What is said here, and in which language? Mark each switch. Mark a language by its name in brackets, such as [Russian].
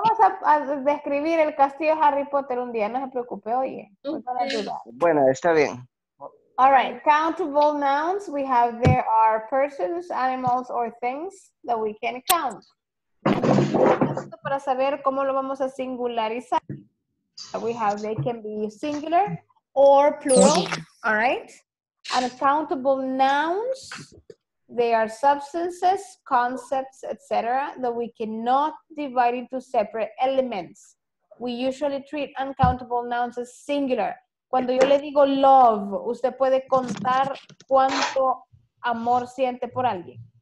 [Spanish] Vamos a describir el castillo de Harry Potter un día, no se preocupe, oye. Bueno, está bien. [English] All right, countable nouns, we have there are persons, animals, or things that we can count. [Spanish] Esto para saber cómo lo vamos a singularizar. [English] We have they can be singular or plural, all right? And countable nouns, they are substances, concepts, etc., that we cannot divide into separate elements. We usually treat uncountable nouns as singular. [Spanish] Cuando yo le digo love, usted puede contar cuánto amor siente por alguien.